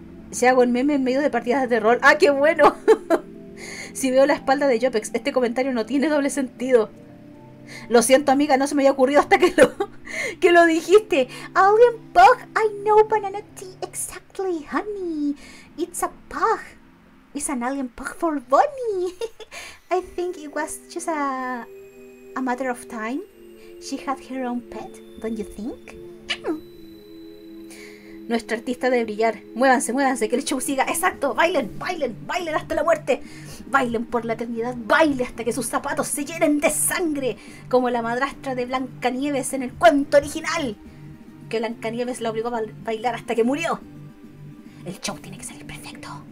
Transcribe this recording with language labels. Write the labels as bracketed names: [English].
[Spanish] Si hago un meme en medio de partidas de rol. ¡Ah, qué bueno! Si veo la espalda de Jopex, este comentario no tiene doble sentido. Lo siento, amiga, no se me había ocurrido hasta que lo dijiste. [English] Alien Pug, I know banana tea exactly, honey. It's a pug. It's an alien pug for Bonnie. I think it was just a matter of time. She had her own pet, don't you think? [Spanish] Nuestra artista debe brillar. Muévanse, muévanse, que el show siga. Exacto, bailen, bailen, bailen hasta la muerte. Bailen por la eternidad, bailen hasta que sus zapatos se llenen de sangre. Como la madrastra de Blancanieves en el cuento original. Que Blancanieves la obligó a bailar hasta que murió. El show tiene que salir perfecto.